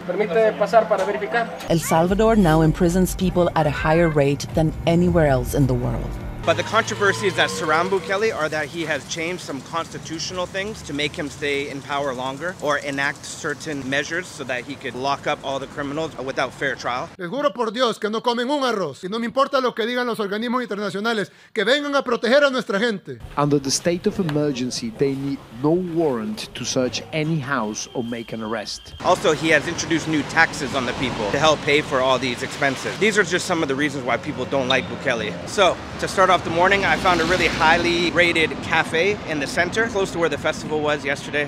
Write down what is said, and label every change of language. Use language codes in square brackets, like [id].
[en] El Salvador now imprisons people at a higher rate than anywhere else in the world. But the controversies that surround Bukele are that he has changed some constitutional things to make him stay in power longer or enact certain measures so that he could lock up all the criminals without fair trial. [es] Les juro por Dios que no comen un arroz y no me importa lo que digan los organismos internacionales que vengan a proteger a nuestra gente. [en] Under the state of emergency, they need no warrant to search any house or make an arrest. Also, he has introduced new taxes on the people to help pay for all these expenses. These are just some of the reasons why people don't like Bukele. So, to start off the morning, I found a really highly rated cafe in the center, close to where the festival was yesterday.